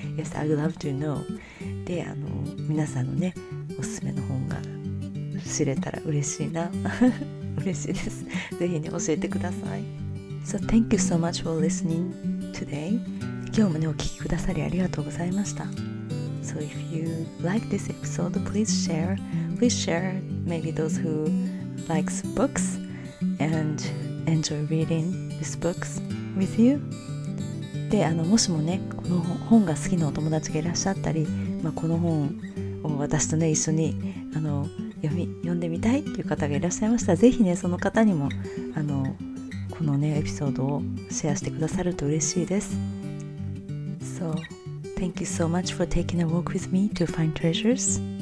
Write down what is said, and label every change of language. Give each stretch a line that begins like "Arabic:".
English: Yes, I would love to know.
Japanese: で、皆さんのね、おすすめの本が知れたら嬉しいな。嬉しいです。ぜひね、教えてください。
English: So thank you so much for listening today.
Japanese: 今日もね、お聞きくださりありがとうございました。
English: So if you like this episode, please share. Please share maybe those who likes books and enjoy reading. This books with you.
Japanese: で、もしもね、この本が好きなお友達がいらっしゃったり、まあ、この本を私とね、一緒に読んでみたいっていう方がいらっしゃいましたら、ぜひね、その方にもこのね、エピソードをシェアしてくださると嬉しいです。
English: So, thank you so much for taking a walk with me to find treasures.